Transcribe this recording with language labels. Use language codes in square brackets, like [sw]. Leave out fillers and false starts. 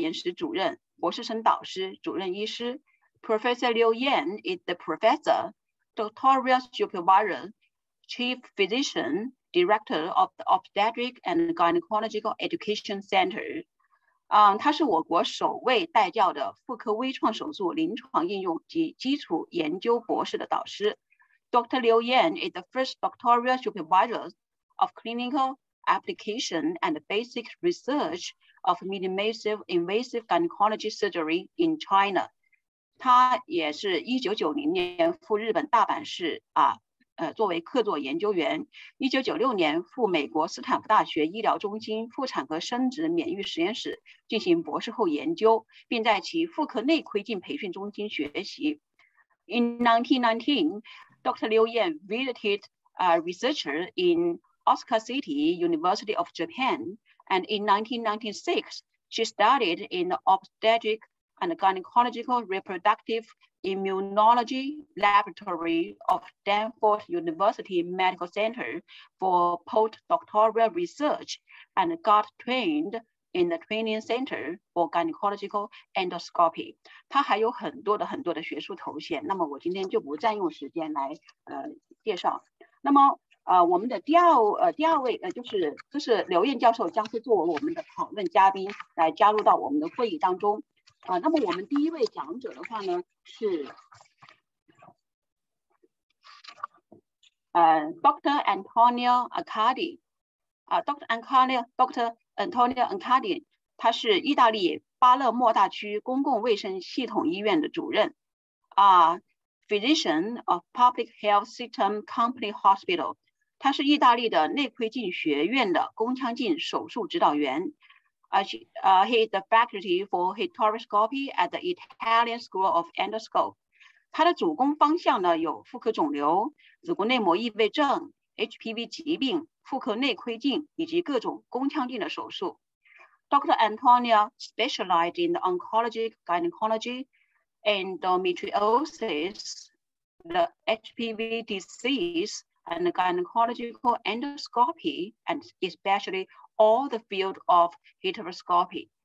[zh] 实主任、博士生导师、主任医师。 [en] Professor Liu Yan is the professor, doctoral supervisor, chief physician, director of the Obstetric and Gynecological Education Center. [zh] 他是我国首位带教的妇科微创手术临床应用及基础研究博士的导师。 [en] Dr. Liu Yan is the first doctoral supervisor of clinical application and basic research of minimally invasive gynecology surgery in China. [zh] 他也是1990年赴日本大阪市作为客座研究员，1996年赴美国斯坦福大学医疗中心妇产和生殖免疫实验室进行博士后研究，并在其妇科内窥镜培训中心学习。 [en] In 1919, Dr. Liu Yan visited a researcher in Osaka City, University of Japan, and in 1996, she studied in the Obstetric and Gynecological Reproductive Immunology Laboratory of Stanford University Medical Center for postdoctoral research and got trained in the Training Center for Gynecological Endoscopy. [zh] 他还有很多的很多的学术头衔，那么我今天就不占用时间来介绍。那么我们的第二位就是刘燕教授将会作为我们的讨论嘉宾来加入到我们的会议当中。那么我们第一位讲者的话呢是Dr. Antonio Accardi。 Dr. Antonio Accardi, 他是意大利巴勒莫大区公共卫生系统医院的主任 [en] Physician of Public Health System Company Hospital。 [zh] 他是意大利的内窥镜学院的宫腔镜手术指导员。 [en] He is the faculty for hysteroscopy at the Italian School of Endoscopy. [zh] 他的主攻方向呢有妇科肿瘤、子宫内膜异位症、HPV 疾病、妇科内窥镜以及各种宫腔镜的手术。 [en] Dr. Antonio specialized in the oncology, gynecology, endometriosis, the HPV disease, and gynecological endoscopy, and especially all the field of hysteroscopy.